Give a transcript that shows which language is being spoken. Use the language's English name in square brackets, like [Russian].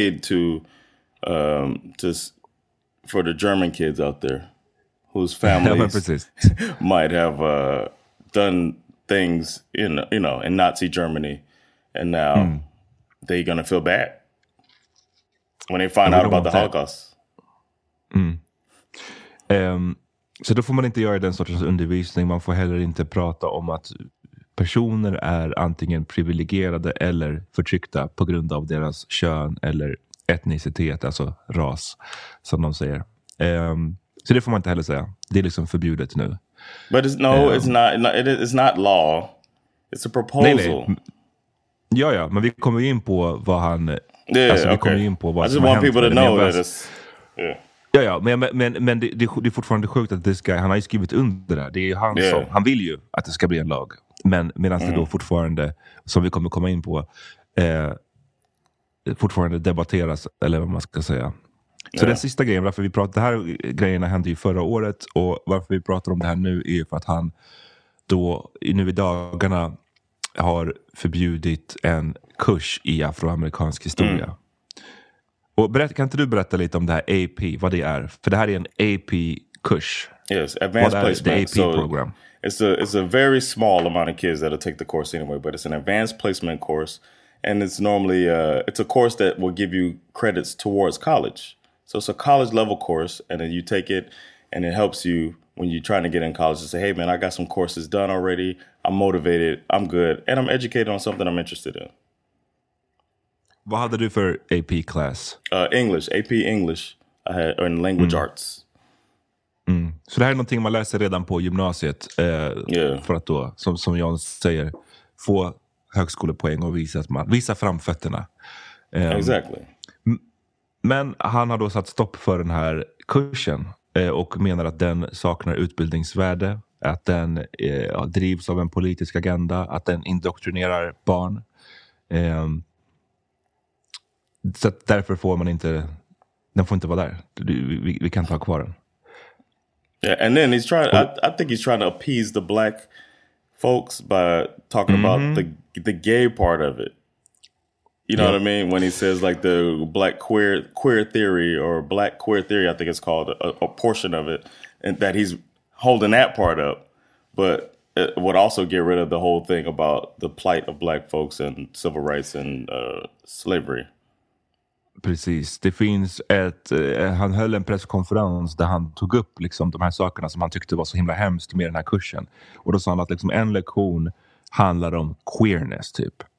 [English] So this was made for the German kids out there whose families might have done things in, you know, in Nazi Germany, and now they're gonna feel bad when they find out about the Holocaust. [Swedish] Så då får man inte göra den sortens undervisning. Man får heller inte prata om att personer är antingen privilegierade eller förtryckta på grund av deras kön eller etnicitet, alltså ras, som de säger. Så det får man inte heller säga. Det är liksom förbjudet nu. [English] But it's, no, it's not law. It's a proposal. [Swedish] Nej, nej. Ja, men vi kommer in på vad han... [English] I just want people to know that it's... [Swedish] Ja, men det är fortfarande sjukt att [English] this guy, [Swedish] han har ju skrivit under det. Det är ju han som, han vill ju att det ska bli en lag. Men medan det då fortfarande, som vi kommer komma in på, fortfarande debatteras, eller vad man ska säga. Så den sista grejen, varför vi pratar, det här grejerna hände ju förra året, och varför vi pratar om det här nu är ju för att han då, nu i dagarna, har förbjudit en kurs i afroamerikansk historia. Mm. Och kan inte du berätta lite om det här AP, vad det är? För det här är en AP-kurs. [English] Yes, Advanced Placement. What is the AP program? It's a very small amount of kids that'll take the course anyway, but it's an advanced placement course. And it's normally, it's a course that will give you credits towards college. So it's a college-level course, and then you take it, and it helps you when you're trying to get in college to say, hey, man, I got some courses done already, I'm motivated, I'm good, and I'm educated on something I'm interested in. What did you do for AP class? English, AP English, or in language arts. Mm. [Swedish] Så det här är någonting man läser redan på gymnasiet för att då, som John säger, få högskolepoäng och visa framfötterna. [English] Exactly. [Swedish] Men han har då satt stopp för den här kursen och menar att den saknar utbildningsvärde, att den drivs av en politisk agenda, att den indoktrinerar barn. Så därför får man inte, den får inte vara där. Vi kan ta kvar den. [English] Yeah, and then he's trying, I think he's trying to appease the black folks by talking about the gay part of it. You know what I mean? When he says like the black queer theory, or black queer theory, I think it's called, a portion of it, and that he's holding that part up, but it would also get rid of the whole thing about the plight of black folks and civil rights and slavery. [Swedish] Precis. Det finns ett, han höll en presskonferens där han tog upp liksom de här sakerna som han tyckte var så himla hemskt med den här kursen. Och då sa han att liksom en lektion handlar om queerness typ.